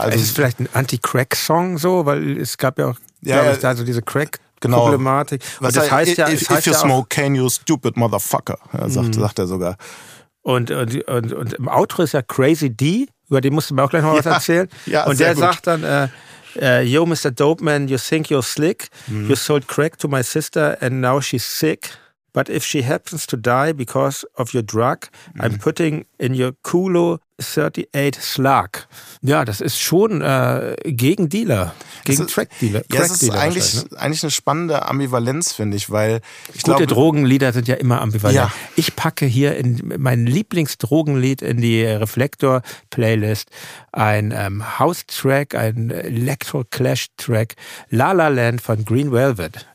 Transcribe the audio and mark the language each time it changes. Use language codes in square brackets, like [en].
[de] Also, es ist vielleicht ein Anti-Crack-Song so, weil es gab ja auch, glaube ich, da so diese Crack- Genau. Problematik. Was das heißt ja, [en] if you smoke, can you stupid motherfucker, [de] sagt er sogar. Und im Outro ist ja Crazy D, über den musst du mir auch gleich noch was erzählen. Ja, und der gut. sagt dann, yo, Mr. [en] Dope Man, you think you're slick. You sold crack to my sister and now she's sick. But if she happens to die because of your drug, I'm putting in your culo 38 Slug. [de] Ja, das ist schon gegen Dealer, gegen Track-Dealer. Ja, das ist eigentlich eine spannende Ambivalenz, finde ich, weil ich glaube, Drogenlieder sind ja immer ambivalent. Ja. Ich packe hier in mein Lieblingsdrogenlied in die Reflektor-Playlist ein House-Track, ein Electro-Clash-Track, La La Land von Green Velvet.